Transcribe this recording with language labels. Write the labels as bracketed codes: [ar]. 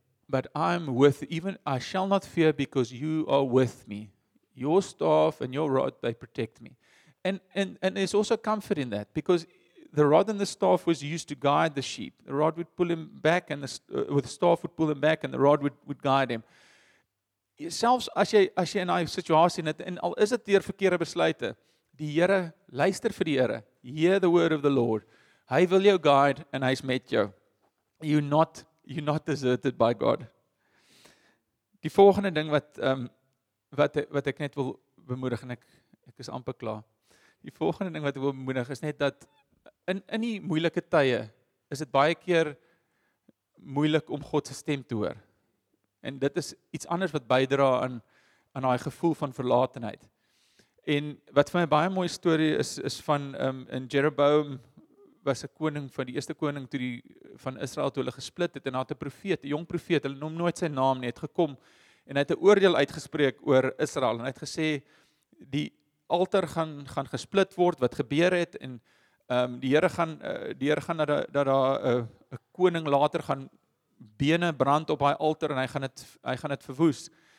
[en] But I'm with, even I shall not fear because you are with me. Your staff and your rod, they protect me. And there's also comfort in that, because the rod and the staff was used to guide the sheep. The rod would pull him back, and the staff would pull him back, and the rod would guide him. [af] Selfs as jy in daai situasie net, en al is dit deur verkeerde besluite, die Here luister vir die Here. [en] Hear the word of the Lord. [af] Hy wil jou guide en hy's met jou. [en] You're not deserted by God. [af] Die volgende ding wat ek net wil bemoedig, en ek is amper klaar. Die volgende ding wat ek wil bemoedig is net dat in die moeilike tye is dit baie keer moeilik om God se stem te hoor. En dit is iets anders wat bydra aan daai gevoel van verlatenheid. En wat vir my baie mooi storie is van in Jeroboam was 'n koning, van die eerste koning toe die van Israel toe hulle gesplit het, en daar het 'n profeet, 'n jong profeet, hulle noem nooit sy naam nie, het gekom en hy het 'n oordeel uitgespreek oor Israel, en hy het gesê die altaar gaan gesplit word, wat gebeur het, en die Here gaan dat daar 'n koning later gaan bene brand op daai altaar, en hy gaan dit verwoes.